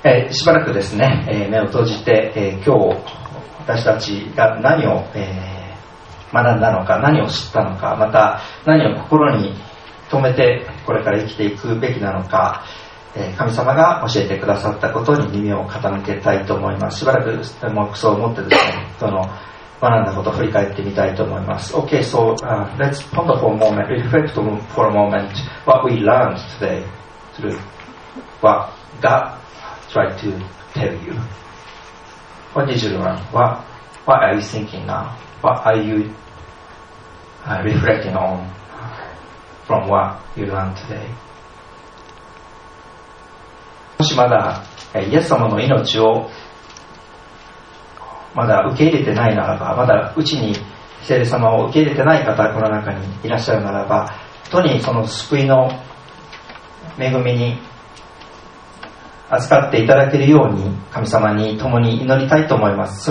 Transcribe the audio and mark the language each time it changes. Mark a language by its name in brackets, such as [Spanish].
[Japanese] しばらくですね、目を閉じて、今日私たちが何を、学んだのか、何を知ったのか、また何を心に留めてこれから生きていくべきなのか、神様が教えてくださったことに耳を傾けたいと思います。しばらく黙想を持ってですね、その学んだことを振り返ってみたいと思います。 [English] OK, so、let's ponder for a moment, reflect for a moment what we learned today through what God tried to tell you. What did you learn? What are you thinking now? What are you、reflecting on from what you learned today? [Japanese] もしまだイエス様の命をまだ受け入れてないならば、まだうちに聖霊様を受け入れてない方がこの中にいらっしゃるならば、とにその救いの恵みに預かっていただけるように神様に共に祈りたいと思います。